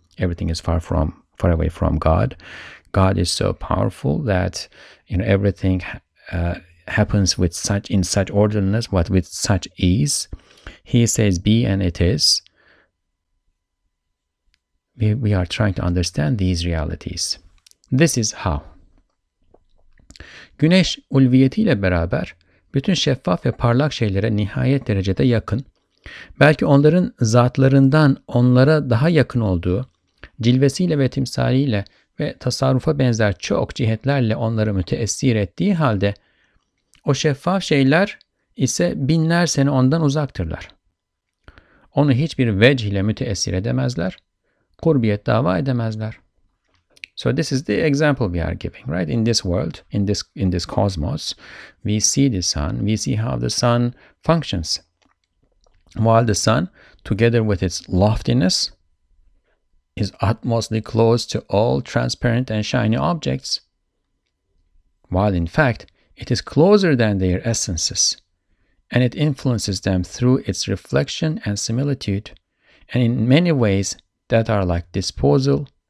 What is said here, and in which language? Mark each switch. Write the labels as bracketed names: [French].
[English] Everything is far away from God. God is so powerful that, you know, everything happens in such orderliness, but with such ease. He says, "Be and it is." We are trying to understand these realities. This is how. [Turkish] Güneş ulviyetiyle beraber bütün şeffaf ve parlak şeylere nihayet derecede yakın, belki onların zatlarından onlara daha yakın olduğu, cilvesiyle ve timsaliyle ve tasarrufa benzer çok cihetlerle onları müteessir ettiği halde, o şeffaf şeyler ise binler sene ondan uzaktırlar. Onu hiçbir vecih ile müteessir edemezler, kurbiyet dava edemezler. [English] So this is the example we are giving, right? In this world, in this cosmos, we see the Sun. We see how the Sun functions. While the Sun, together with its loftiness, is utmostly close to all transparent and shiny objects, while in fact it is closer than their essences, and it influences them through its reflection and similitude, and in many ways that are like disposal.